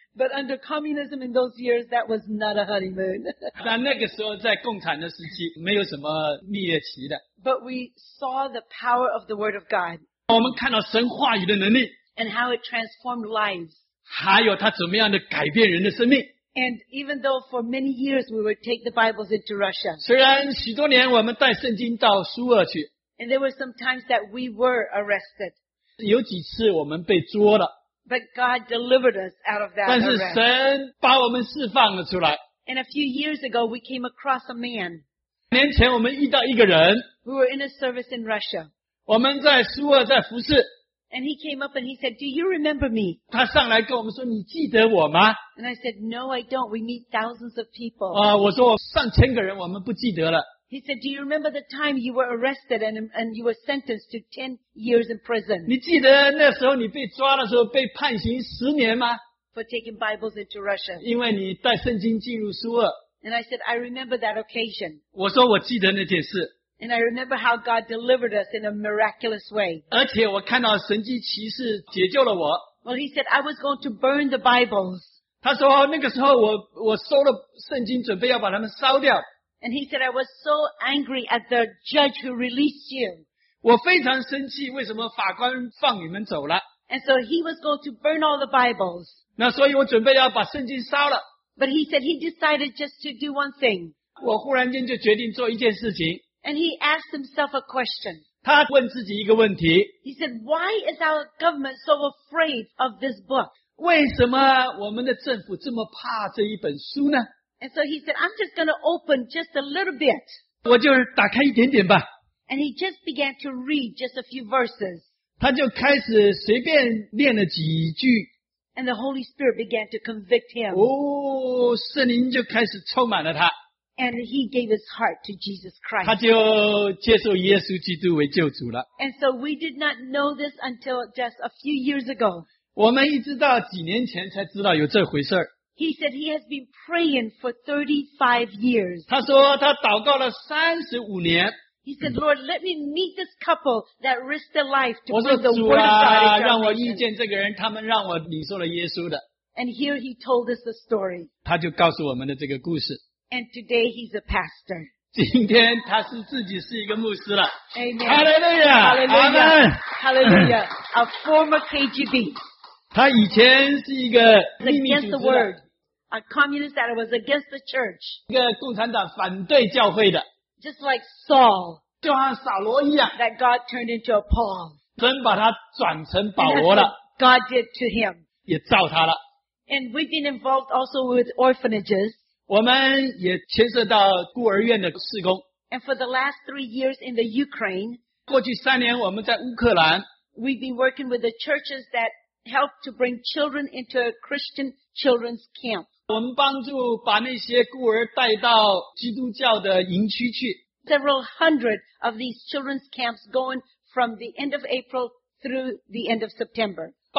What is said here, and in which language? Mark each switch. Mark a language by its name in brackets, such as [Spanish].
[English] But under communism in those years, that was not a honeymoon. [Chinese] 那个时候在共产的时期, 没有什么蜜月期的。 [English] But we saw the power of the Word of God. [Chinese] 我们看到神话语的能力。 [English] And how it transformed lives. [Chinese] 还有它怎么样的改变人的生命。 [English] And even though for many years we would take the Bibles into Russia. [Chinese] 虽然许多年我们带圣经到苏俄去。 [English] And there were some times that we were arrested. [Chinese] 有几次我们被捉了。 [English] But God delivered us out of that arrest. [Chinese] 但是神把我们释放了出来。 [English] And a few years ago, we came across a man. [Chinese] 年前我们遇到一个人。 [English] We were in a service in Russia. [Chinese] 我们在苏俄在服侍。 [English] And he came up and he said, do you remember me? [Chinese] 他上来跟我们说, 你记得我吗? [English] And I said, no, I don't. We meet thousands of people. [Chinese] 我说上千个人我们不记得了。 [English] He said, do you remember the time you were arrested and you were sentenced to 10 years in prison? [Chinese] 你记得那时候你被抓的时候被判刑10年吗? [English] For taking Bibles into Russia. [Chinese] 因为你带圣经进入苏俄。 [English] And I said, I remember that occasion. [Chinese] 我说我记得那件事。 [English] And I remember how God delivered us in a miraculous way. Well, he said, I was going to burn the Bibles. [Chinese] 他说那个时候我收了圣经准备要把它们烧掉。 [English] And he said, I was so angry at the judge who released you. [Chinese] 我非常生气为什么法官放你们走了。 [English] And so he was going to burn all the Bibles. [Chinese] 那所以我准备要把圣经烧了。 [English] But he said he decided just to do one thing. [Chinese] 我忽然间就决定做一件事情。 [English] And he asked himself a question. [Chinese] 他问自己一个问题, [English] he said, why is our government so afraid of this book? [Chinese] 为什么我们的政府这么怕这一本书呢? [English] And so he said, I'm just going to open just a little bit. [Chinese] 我就打开一点点吧。 [English] And he just began to read just a few verses. [Chinese] 他就开始随便念了几句。 [English] And the Holy Spirit began to convict him. [Chinese] 哦, 圣灵就开始充满了他。 [English] And he gave his heart to Jesus Christ. [Chinese] 他就接受耶稣基督为救主了。 [English] And so we did not know this until just a few years ago. [Chinese] 我们一直到几年前才知道有这回事儿。 [English] He said he has been praying for 35 years. [Chinese] 他说他祷告了35年。 [English] He said, Lord, let me meet this couple that risked their life to bring the word of God into our nation. [Chinese] 让我遇见这个人，他们让我领受了耶稣的。 [English] And here he told us the story. [Chinese] 他就告诉我们的这个故事。 [English] And today he's a pastor. [Chinese] 今天他是自己是一个牧师了。Amen. [English] Hallelujah. Hallelujah. Hallelujah. A former KGB. [Chinese] 他以前是一个秘密组织。 [English] Against the word. A communist that was against the church. [Chinese] 一个共产党反对教会的。 [English] Just like Saul. [Chinese] 就像扫罗一样。 [English] That God turned into a Paul. [Chinese] 真把他转成保罗了。 [English] God did to him. [Chinese] 也造他了。 [English] And we've been involved also with orphanages. [Chinese] 我们也牵涉到孤儿院的事工。 [English] And for the last 3 years in the Ukraine, [Chinese] 过去3年我们在乌克兰, [English] we've been working with the churches that help to bring children into a Christian children's camp. [Chinese] 我们帮助把那些孤儿带到基督教的营区去。 [English] Several hundred of these children's camps going from the end of April through the end of September.